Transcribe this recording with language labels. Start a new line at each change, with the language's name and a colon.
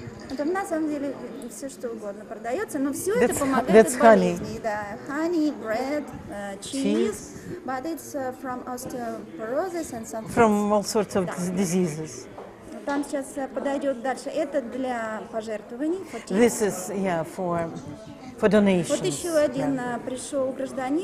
Russian: Это на самом деле все что угодно продается, но все это помогает от болезней.
English: Да, honey, bread, cheese, but it's from osteoporosis and something. From all sorts of diseases.
Russian: Там сейчас подойдет дальше. Это для пожертвований.
English: This is for donations.
Russian: Вот еще один пришел гражданин.